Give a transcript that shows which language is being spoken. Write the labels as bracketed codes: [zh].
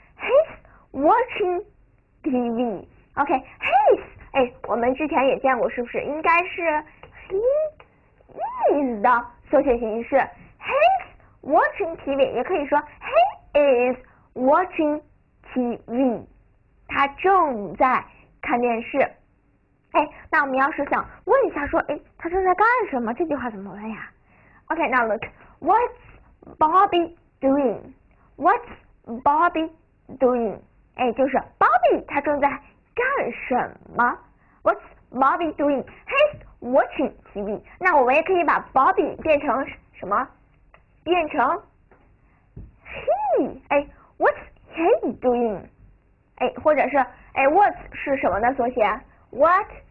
[en] He's watching TV. [zh] OK，He's，哎，我们之前也见过，是不是？应该是 He is 的缩写形式，He's watching TV，也可以说 [en] He is watching TV. [zh] 他正在看电视。哎，那我们要是想问一下说，哎，他正在干什么？这句话怎么问呀？OK，那 look， [en] What's Bobby doing？What's Bobby doing？ [zh] 哎，就是 Bobby 他正在干什么？ [en] What's Bobby doing？He's watching TV。 [zh] 那我们也可以把 Bobby 变成什么？变成 he。哎， [en] What's he doing？ [zh] 哎，或者是哎，What 是什么的缩写？What？